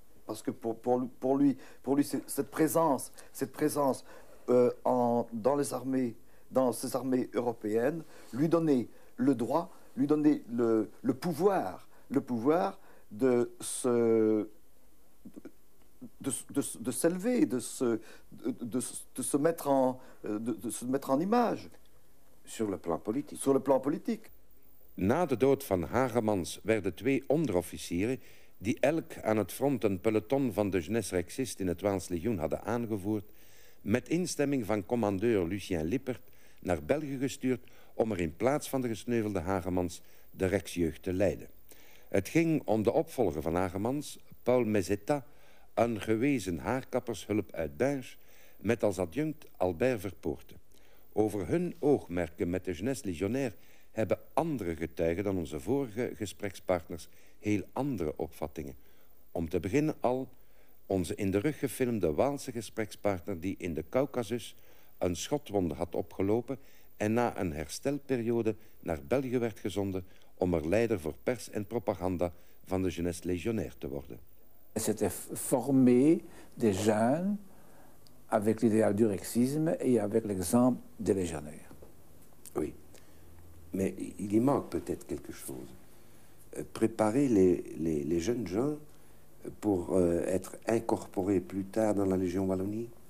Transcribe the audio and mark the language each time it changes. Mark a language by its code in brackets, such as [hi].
[fr] Parce que pour lui cette présence dans les armées, dans ces armées européennes, lui donnait le droit, lui donnait le pouvoir de s'élever, de se mettre en image. Sur le plan politique. [nl] Na de dood van Hagemans werden twee onderofficieren, die elk aan het front een peloton van de Jeunesse Rexiste in het Waalslegioen hadden aangevoerd, met instemming van commandeur Lucien Lippert naar België gestuurd om er in plaats van de gesneuvelde Hagemans de Rexjeugd te leiden. Het ging om de opvolger van Hagemans, Paul Mezeta, een gewezen haarkappershulp uit Binche, met als adjunct Albert Verpoorten. Over hun oogmerken met de Jeunesse Légionnaire hebben andere getuigen dan onze vorige gesprekspartners heel andere opvattingen. Om te beginnen al onze in de rug gefilmde Waalse gesprekspartner die in de Caucasus een schotwonde had opgelopen en na een herstelperiode naar België werd gezonden om er leider voor pers en propaganda van de Jeunesse Légionnaire te worden. [fr] C'était former des jeunes avec l'idéal du rexisme et avec l'exemple des légionnaires. Oui, mais il y manque peut-être quelque chose. Préparer les jeunes gens pour être incorporés plus tard dans la Légion Wallonie.